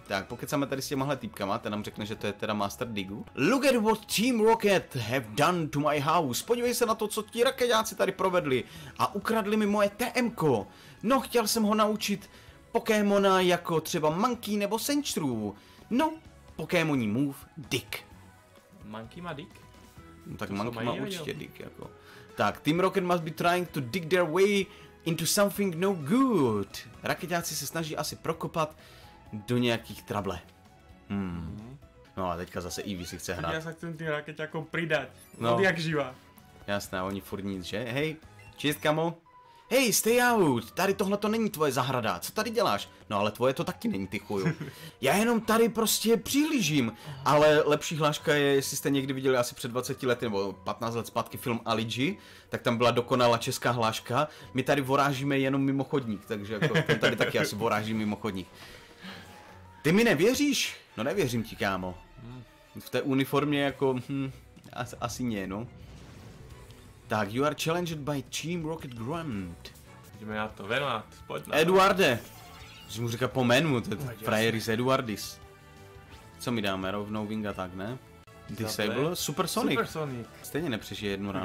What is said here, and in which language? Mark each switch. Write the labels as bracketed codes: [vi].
[cs] Tak, pokecáme tady s těmahle týpkama, ten nám řekne, že to je teda Master Digu. [en] Look at what Team Rocket have done to my house. [cs] Podívej se na to, co ti rakeťáci tady provedli. A ukradli mi moje TMko. No, chtěl jsem ho naučit Pokémona jako třeba Monkey nebo Sentru. No, Pokémoní move Dick. Monkey má Dick? No tak to Monkey má určitě Dick, jako. [en] Tak, Team Rocket must be trying to dig their way into something no good. [cs] Rakeťáci se snaží asi prokopat do nějakých trable. No a teďka zase Eevee si chce hrát. Já se chcem tím rakeťákom pridat. No. Od jak živa. Jasné, oni furt nic, že? Hej, čist, kamo. Hej, stay out, tady tohle to není tvoje zahrada, co tady děláš? No ale tvoje to taky není, ty chuju. Já jenom tady prostě přihlížím. Ale lepší hláška je, jestli jste někdy viděli asi před 20 lety nebo 15 let zpátky film Ali G, tak tam byla dokonalá česká hláška. My tady vorážíme jenom mimo chodník, takže jako ten tady taky asi voráží mimo chodník. Ty mi nevěříš? No nevěřím ti, kámo. V té uniformě jako, asi ne, no. [en] Tak, you are challenged by Team Rocket Grunt. [cs] Jdeme na to, Venat, pojď na to. Eduarde! Musím mu říkat po jménu, to je to Frajeris Eduardis. Co mi dáme, rovnou Winga tak, ne? Disable? Super Sonic. Super Sonic. Stejně nepřežije jednu ránu.